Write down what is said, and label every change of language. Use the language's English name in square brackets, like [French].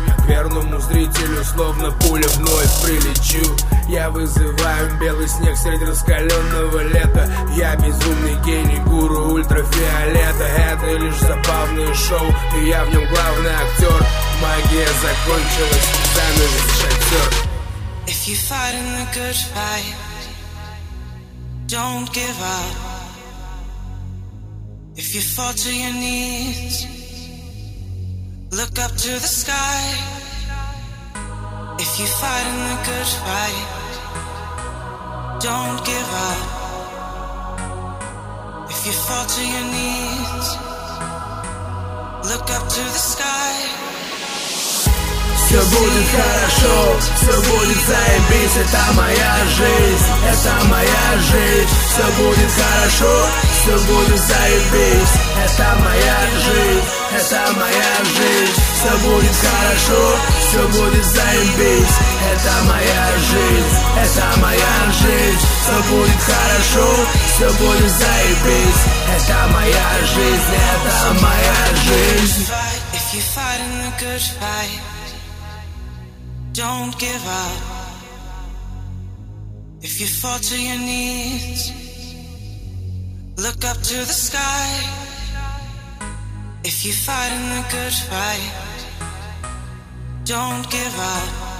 [Russian] Я к верному зрителю, словно пуля, вновь прилечу. Я вызываю белый снег среди раскаленного лета. Я безумный гений, гуру ультрафиолета. Это лишь забавное шоу, и я в нем главный актер. Магия закончилась, занавес шатер. [English] If you're fighting the good fight, don't give up. If you fall to your knees, look up to the sky. If you're fighting the good fight, don't give up. If you fall to your knees, look up to the sky. [Russian] Все будет хорошо, все будет заебись, это моя жизнь, это моя жизнь. Все будет хорошо, все будет заебись, это моя жизнь, это моя жизнь. Все будет хорошо, все будет заебись, это моя жизнь, это моя жизнь. Все будет хорошо, все будет заебись, это моя жизнь, это моя жизнь. [English] Don't give up. If you fall to your knees, look up to the sky. If you're fighting the good fight, don't give up.